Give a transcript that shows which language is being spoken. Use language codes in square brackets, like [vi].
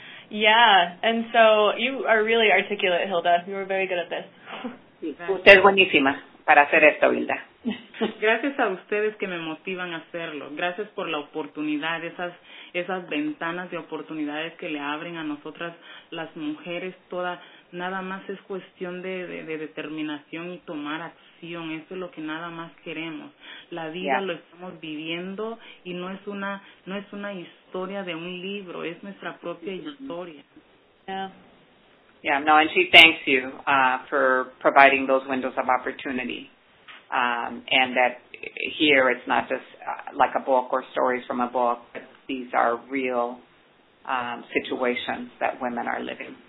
[en] Yeah, and so you are really articulate, Hilda. You are very good at this. [es] Usted es buenísima para hacer esto, Hilda. Gracias a ustedes que me motivan a hacerlo. Gracias por la oportunidad, esas ventanas de oportunidades que le abren a nosotras las mujeres todas. Nada más es cuestión de determinación y tomar acción. Eso es lo que nada más queremos. La vida lo estamos viviendo y no es una historia de un libro. Es nuestra propia historia. Yeah. [en] Yeah, no, and she thanks you for providing those windows of opportunity. And that here it's not just like a book or stories from a book, but these are real situations that women are living.